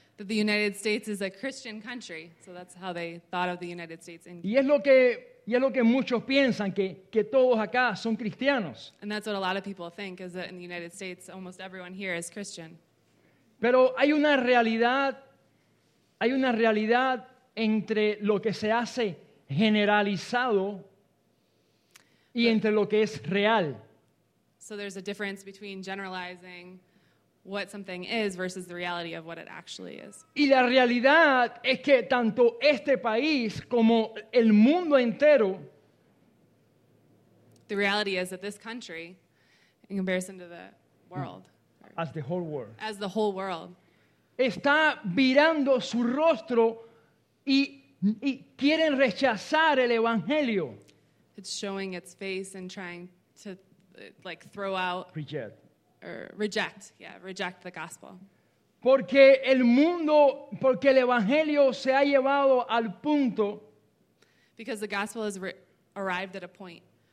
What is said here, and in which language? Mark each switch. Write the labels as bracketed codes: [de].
[en] That the United States is a Christian country. So that's how they thought of the United States in Cuba. [es] Y es lo que muchos piensan, que todos acá son cristianos. [en] And that's what a lot of people think, is that in the United States, almost everyone here is Christian. [es] Pero hay una realidad entre lo que se hace generalizado y entre lo que es real. [en] So there's a difference between generalizing what something is versus the reality of what it actually is. [es] Y la realidad es que tanto este país como el mundo entero, [en] the reality is that this country, in comparison to the world, as the whole world, [es] está virando su rostro y quieren rechazar el evangelio. [en] It's showing its face and trying to throw out, reject the gospel. [es] Porque el mundo, porque el evangelio se ha llevado al punto, [en] because the gospel has arrived at a point,